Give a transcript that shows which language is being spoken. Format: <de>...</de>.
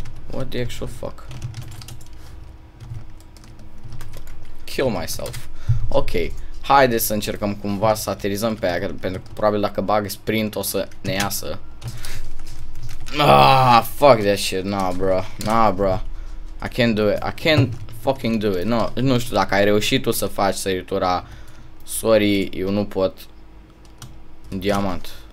<en>What the actual fuck? Kill myself.</en> <ro>Ok, haide să încercăm cumva să aterizăm pe aia, pentru că probabil dacă bag sprint o să ne iasă.</ro> <en>Ah, fuck that shit, nah, bro, nah, bro. I can't do it, I can't fucking do it.</en> <ro>No, nu știu dacă ai reușit tu să faci săritura. Sorry, eu nu pot. Diamant.</ro>